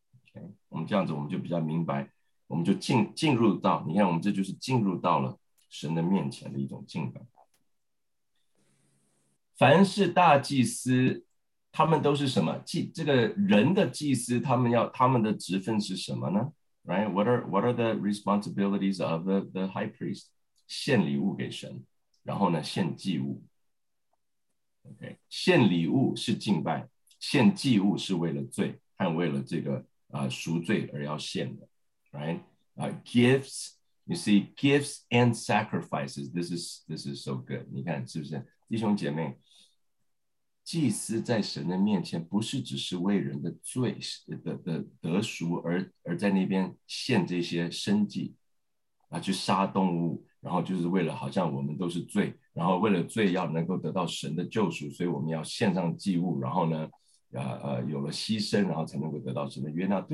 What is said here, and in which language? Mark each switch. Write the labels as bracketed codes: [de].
[zh] Okay, 我们这样子我们就比较明白，我们就 进入到，你看我们这就是进入到了神的面前的一种敬拜。凡是大祭司，他们都是什么？这个人的祭司，他们的职分是什么呢？ [en] Right? What are the responsibilities of the high priest? [zh] 献礼物给神，然后呢，献祭物。Okay, 献礼物是敬拜，献祭物是为了罪和为了这个赎罪而要献的。 [en] Right? Gifts. You see, gifts and sacrifices, this is so good. [zh] 你看是不是？弟兄姐妹，祭司在神的面前不是只是为人的罪的得赎 而在那边献这些生祭、啊、去杀动物，然后就是为了好像我们都是罪，然后为了罪要能够得到神的救赎，所以我们要献上祭物，然后呢有了牺牲，然后才能够得到神的悦纳。